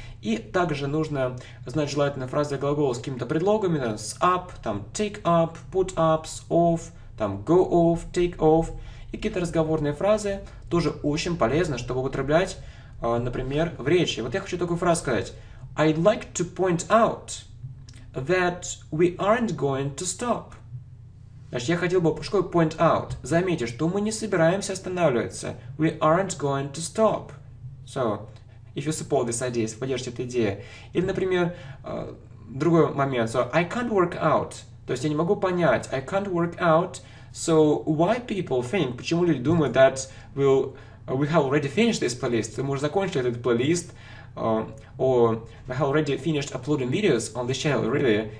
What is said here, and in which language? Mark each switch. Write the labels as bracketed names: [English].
[Russian] И также нужно знать желательно фразы и глаголы с какими-то предлогами, да, с up, там take up, put up, с off, там go off, take off. И какие-то разговорные фразы тоже очень полезны, чтобы употреблять, например, в речи. Вот я хочу такую фразу сказать. [English] I'd like to point out that we aren't going to stop. [Russian] Значит, я хотел бы пошкой point out. Заметьте, что мы не собираемся останавливаться. [English] We aren't going to stop. So, if you support this idea, [Russian] если поддержите эту идею. Или, например, другой момент. [English] So, I can't work out. [Russian] То есть, я не могу понять. [English] I can't work out. So, why people think, [Russian] почему люди думают, [English] that we have already finished this playlist, [Russian] мы уже закончили этот плейлист, [English] or we have already finished uploading videos on this channel, really.